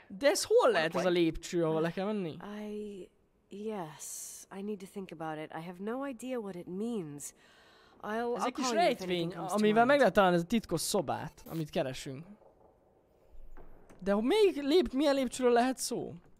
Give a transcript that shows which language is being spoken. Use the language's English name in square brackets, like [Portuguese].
[Hungarian] De ez hol lehet ez a lépcső, ahol le kell menni? [English] Yes. I need to think about it. I have no idea what it means. [Hungarian] Ez egy kis rejtvény, amivel meg lehet találni ez a titkos szobát, amit keresünk. De még milyen lépcsőről lehet szó?